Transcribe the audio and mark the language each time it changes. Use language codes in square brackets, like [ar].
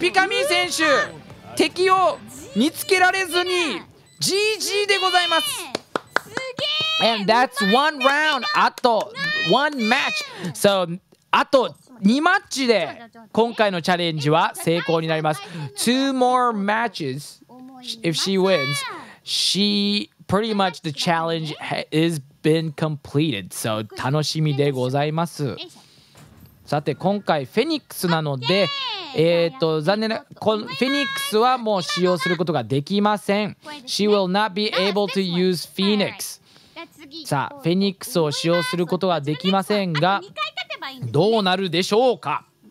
[ja] ピカミー選手、敵を見つけられずに GG でございます。 [en] And that's one round. [ja] あと [en] one match. [ja] So あと2マッチで今回のチャレンジは成功になります。 [en] Two more matches. If she wins, she pretty much the challenge is been completed. [ja] So 楽しみでございます。さて今回フェニックスなので残念な、フェニックスはもう使用することができません。 [en] She will not be able to use Phoenix。 [ja] さあフェニックスを使用することはできませんがどうなるでしょうか。